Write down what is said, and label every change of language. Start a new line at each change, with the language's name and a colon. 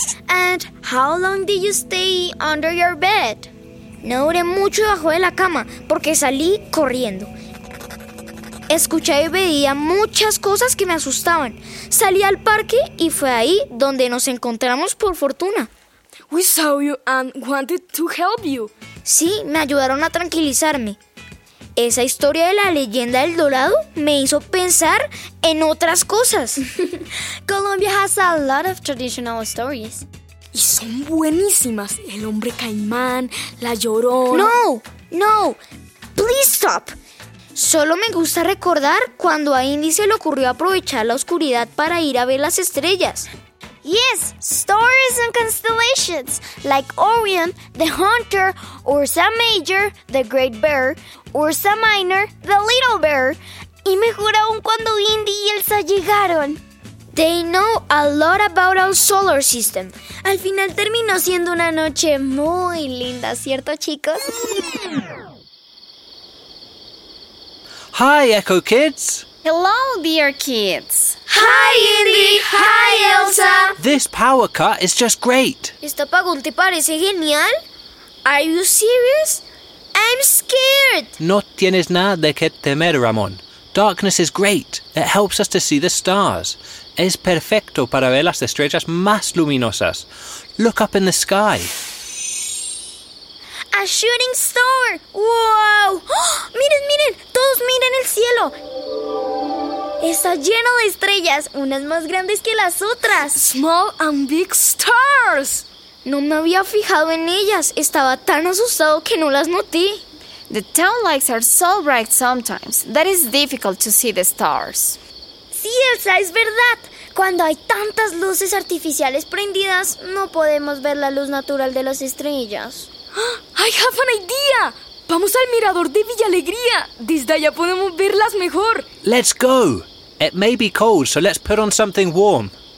English: And how long did you stay under your bed?
Spanish: No duré mucho debajo de la cama porque salí corriendo. Escuché y veía muchas cosas que me asustaban. Salí al parque y fue ahí donde nos encontramos por fortuna.
English: We saw you and wanted to help you.
Spanish: Sí, me ayudaron a tranquilizarme. Esa historia de la leyenda del dorado me hizo pensar en otras cosas.
English: Colombia has a lot of traditional stories.
Spanish: Y son buenísimas. El hombre caimán, la llorona.
English: No, please stop.
Spanish: Solo me gusta recordar cuando a Indy se le ocurrió aprovechar la oscuridad para ir a ver las estrellas.
English: Yes, stories and constellations, like Orion, the Hunter, Ursa Major, the Great Bear, Ursa Minor, the Little Bear,
Spanish: y mejor aún cuando Indy y Elsa llegaron.
English: They know a lot about our solar system.
Spanish: Al final terminó siendo una noche muy linda, ¿cierto, chicos?
English: Hi, Echo Kids. Hello, dear kids. Hi, Indy. Hi, Elsa. This power cut is just great.
Spanish: ¿Esta apagón te parece genial?
English: Are you serious? I'm scared.
Spanish: No tienes nada de qué temer, Ramón.
English: Darkness is great. It helps us to see the stars.
Spanish: Es perfecto para ver las estrellas más luminosas.
English: Look up in the sky. A shooting star. Wow.
Spanish: Miren, miren. Todos miren el cielo. Está lleno de estrellas, unas más grandes que las otras. Small and big stars. No me había fijado en ellas. Estaba tan asustado que no las noté.
English: The town lights are so bright sometimes that it's difficult to see the stars.
Spanish: Sí, Elsa, es verdad. Cuando hay tantas luces artificiales prendidas, no podemos ver la luz natural de las estrellas.
English: I have an idea.
Spanish: Vamos al mirador de Villa Alegría. Desde allá podemos verlas mejor.
English: Let's go. It may be cold, so let's put on something warm.